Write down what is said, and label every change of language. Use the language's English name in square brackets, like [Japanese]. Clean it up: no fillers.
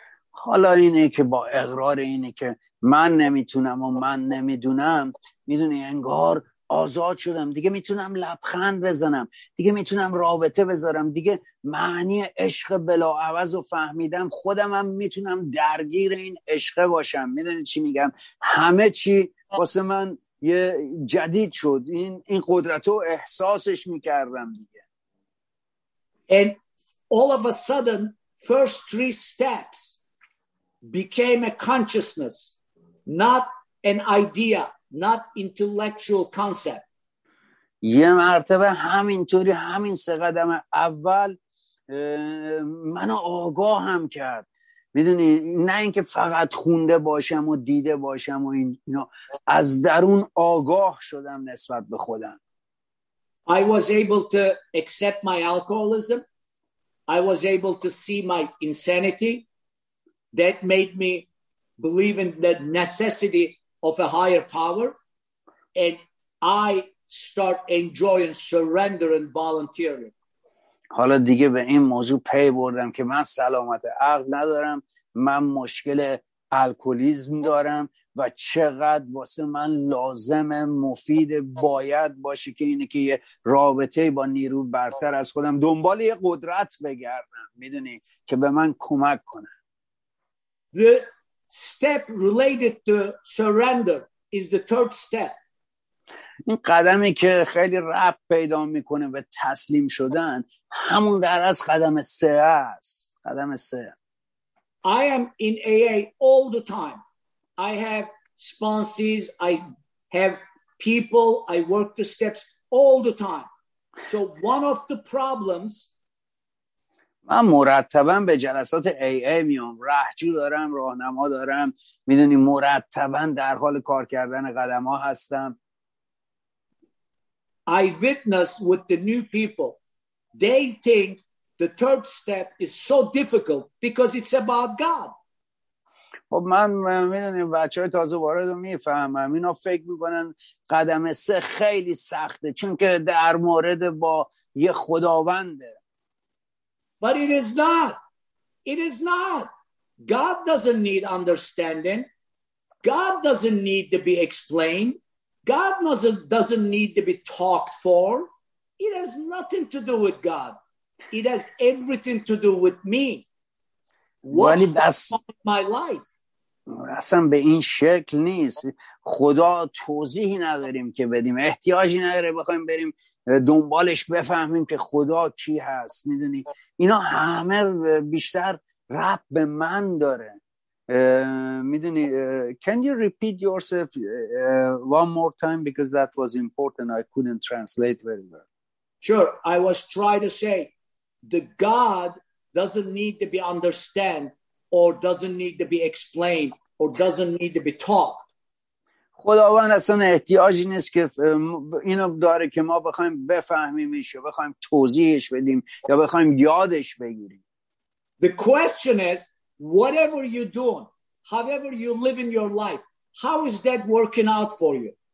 [Persian] حالا اینه که با اقرار اینه که من نمیتونم و من نمیدونم، میدونی انگار آزاد شدم، دیگه میتونم لبخند بزنم، دیگه میتونم رابطه بذارم، دیگه معنی عشق بلاعوض رو فهمیدم، خودمم میتونم درگیر این عشق باشم. میدونی چی میگم؟ همه چی واسه من یه جدید شد، این قدرت رو احساسش میکردم دیگه. [English] And all of a sudden first three steps became a consciousness, not an idea, not intellectual concept. [Persian] یه مرتبه همینطوری همین سه قدم اول منو آگاهم کرد، میدونی، نه اینکه فقط خونده باشم و دیده باشم و اینا، از درون آگاه شدم نسبت به خودم. [English] I was able to accept my alcoholism, I was able to see my insanity. That made me believe in the necessity of a higher power, and I start enjoying surrender and volunteering. [Persian] حالا دیگه به این موضوع پی بردم که من سلامت عقل ندارم، من مشکل الکلیسم دارم و چقدر واسه من لازمه، مفید باید باشه که اینه که یه رابطه با نیرو برتر از خودم، دنبال یه قدرت بگردم، میدونی، که به من کمک کنه. [English] The step related to surrender is the third step. [Persian] این قدمی که خیلی رب پیدا میکنه به تسلیم شدن، همون در از قدم سه است. قدم سه. [English] I am in AA all the time. I have sponsors, I have people, I work the steps all the time. So one of the problems, [Persian] من مرتبا به جلسات AA میام، رهجو دارم، راهنما دارم، میدونی مرتبا در حال کار کردن قدم ها هستم. [English] I witness with the new people. They think the third step is so difficult because it's about God. [Persian] خب من میدونی بچه های تازه وارد رو میفهمم، اینا فکر میکنن قدم سه خیلی سخته چون که در مورد با یه خداونده. [English] But it is not. It is not. God doesn't need understanding. God doesn't need to be explained. God doesn't need to be talked for. It has nothing to do with God. It has everything to do with me. What's wrong with my life? [Persian] اصلا به این شکل نیست. خدا توضیحی نداریم که بدیم. احتیاجی نداره بخوایم بریم دنبالش بفهمیم که خدا کی هست، میدونی؟ اینا همه بیشتر رب به من داره، میدونی. [English] Can you repeat yourself one more time because that was important, I couldn't translate very well. Sure, I was trying to say the God doesn't need to be understand or doesn't need to be explained or doesn't need to be taught. [Persian] خداوند اصلا احتیاجی نیست که اینو داره که ما بخوایم بفهمیمش یا بخوایم توضیحش بدیم یا بخوایم یادش بگیریم. [English] The question is, whatever you do, however you live in your life, how is that working out for you?